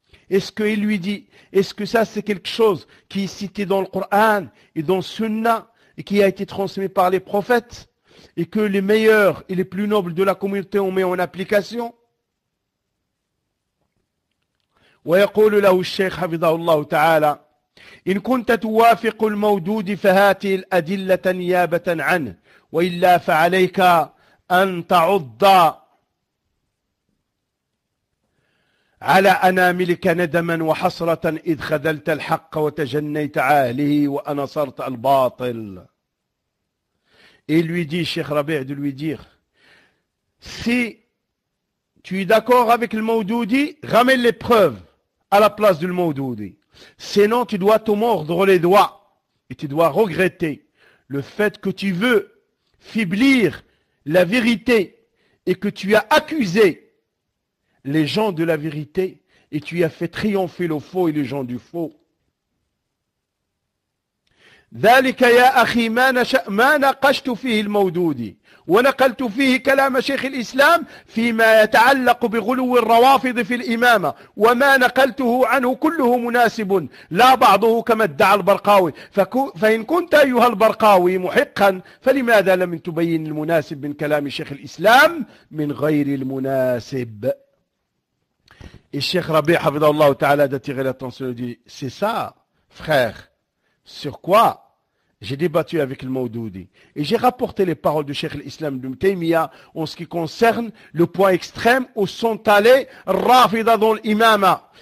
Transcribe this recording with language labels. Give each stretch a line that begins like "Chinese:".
French: Est-ce qu'il lui dit, est-ce que ça c'est quelque chose qui est cité dans le Coran et dans Sunna et qui a été transmis par les prophètes et que les meilleurs et les plus nobles de la communauté ont mis en application?
Arabic: ويقول له الشيخ حفظه الله تعالى: إن كنت توافق المودود فهات الأدلة نيابة عنه وإلا فعليك أن تعض على أناملك ندما وحسرة إذ خذلت الحق وتجنيت عاهله وأنصرت الباطل.
French: Il lui dit, Cheikh Rabi' de lui dire: si tu es d'accord avec le Maudoudi, ramène les preuves à la place du Maudoudi. Sinon, tu dois te mordre les doigts et tu dois regretter le fait que tu veux faiblir la vérité et que tu as accusé les gens de la vérité et tu y as fait triompher le faux et les gens du faux.
Arabic: ذلك يا اخي ما ناقشت فيه المودودي ونقلت فيه كلام شيخ الاسلام فيما يتعلق بغلو الروافض في الامامه وما نقلته عنه كله مناسب لا بعضه كما ادعى البرقاوي فان كنت ايها البرقاوي محقا فلماذا لم تبين المناسب من كلام شيخ الاسلام من غير المناسب.
French: Et Cheikh Rabi' Hafidallah Ta'ala d'attirer l'attention lui dit: c'est ça, frère, sur quoi j'ai débattu avec le Maudoudi. Et j'ai rapporté les paroles du Cheikh l'Islam d'Ibn Taymiyyah en ce qui concerne le point extrême où sont allés Rafida dans l'imama.